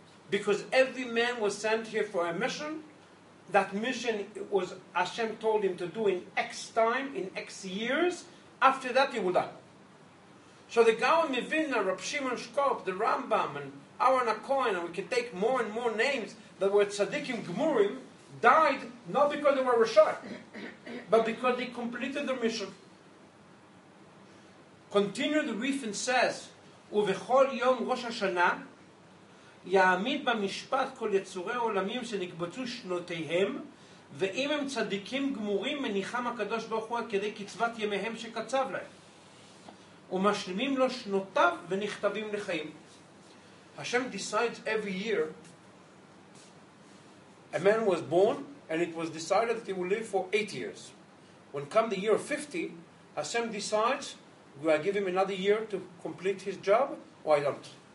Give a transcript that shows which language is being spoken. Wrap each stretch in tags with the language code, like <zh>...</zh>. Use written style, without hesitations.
<en>Because every man was sent here for a mission. That mission was Hashem told him to do in X time, in X years. After that, he will die. So the Gaon Mivilna, Rabbi Shimon Shkop, the Rambam, and Aaron HaKohen, and we can take more and more names that were tzaddikim gemurim, died not because they were rishayim, but because they completed their mission. Continue the Rif and says,</en> <he>ובכל יום ראש השנה יעמיד במשפט כל יצורי עולמים שנקבצו שנותיהם, ואם הם צדיקים גמורים, מניחם הקדוש ברוך הוא כדי קצבת ימיהם שקצב להם. ומשלימים לו שנותיו ונכתבים לחיים.</he> <en>Hashem decides every year a man was born and it was decided that he will live for 8 years. When come the year 50, Hashem decides, do I give him another year to complete his job or I don't?</en>